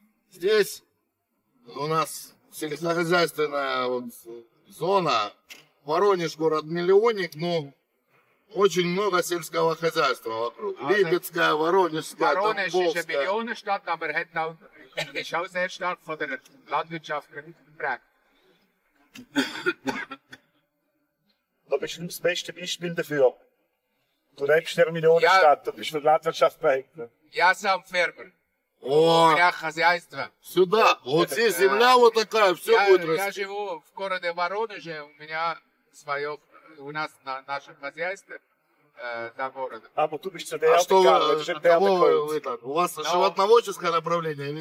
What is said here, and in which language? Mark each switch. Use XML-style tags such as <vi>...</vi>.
<ru>Здесь у нас сельскохозяйственная вот зона. Воронеж, город-миллионник, но очень много сельского хозяйства вокруг. Липецкая, Воронежская, Воронеж – это миллионная штат, но это очень много сельскохозяйства.</ru> <de>Du bist das beste Beispiel dafür. Du lebst in der Millionenstadt, du bist für die Landwirtschaft prägend.</de> <ru>Я сам фермер. О! Я хозяйство. Сюда! Вот здесь земля вот такая, все будет расти. Я живу в городе Воронеже, у меня свое, у нас на нашем хозяйстве, на городе. А, вот тут бишь, что вы так? У вас животноводческое направление или</ru>